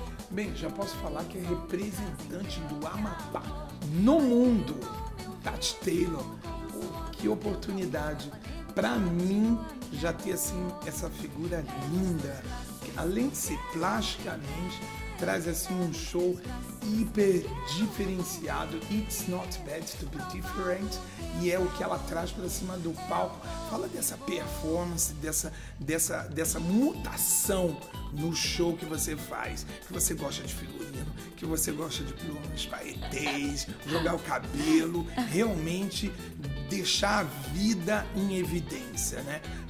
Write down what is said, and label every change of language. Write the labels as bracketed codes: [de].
[pt] Bem, já posso falar que é representante do Amapá no mundo, Tati Taylor. Pô, que oportunidade para mim já ter assim essa figura linda, que além de ser plasticamente, traz assim um show hiper diferenciado. [en] It's not bad to be different. [pt] E é o que ela traz para cima do palco. Fala dessa performance, dessa mutação no show que você faz. Que você gosta de figurino, que você gosta de plumas, paetês, jogar o cabelo. Realmente deixar a vida em evidência, né?